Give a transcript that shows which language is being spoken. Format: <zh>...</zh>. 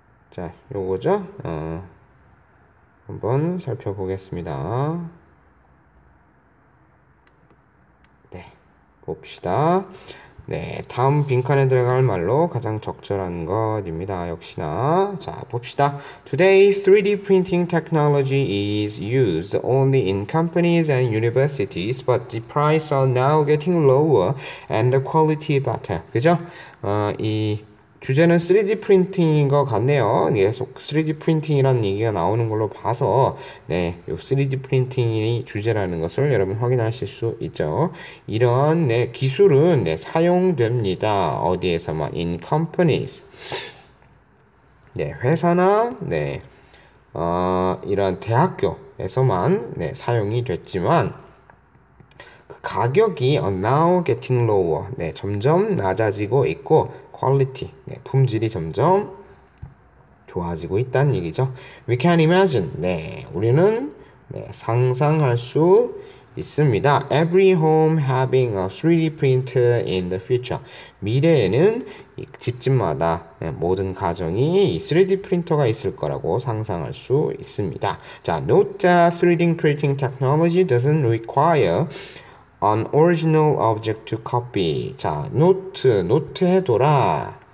<ko>자, 요거죠? 한번 살펴보겠습니다. 봅시다. 네, 다음 빈칸에 들어갈 말로 가장 적절한 것입니다. 역시나. 자, 봅시다.</ko> <en>Today, 3D printing technology is used only in companies and universities, but the price are now getting lower and the quality better.</en> <ko>그죠? 이 주제는 3D 프린팅인 것 같네요. 계속 3D 프린팅이라는 얘기가 나오는 걸로 봐서, 네, 요 3D 프린팅이 주제라는 것을 여러분 확인하실 수 있죠. 이런, 네, 기술은, 네, 사용됩니다. 어디에서만?</ko> <en>In companies.</en> <ko>네, 회사나, 네, 이런 대학교에서만, 네, 사용이 됐지만, 그 가격이</ko> <en>now getting lower.</en> <ko>네, 점점 낮아지고 있고, 퀄리티, 네, 품질이 점점 좋아지고 있다는 얘기죠.</ko> <en>We can imagine,</en> <ko>네, 우리는 네, 상상할 수 있습니다.</ko> <en>Every home having a 3D printer in the future.</en> <ko>미래에는 이 집집마다 네, 모든 가정이 이 3D 프린터가 있을 거라고 상상할 수 있습니다.</ko> <en>자, note that 3D printing technology doesn't require An original object to copy.</en> <ko>자, 노트 해둬라.</ko>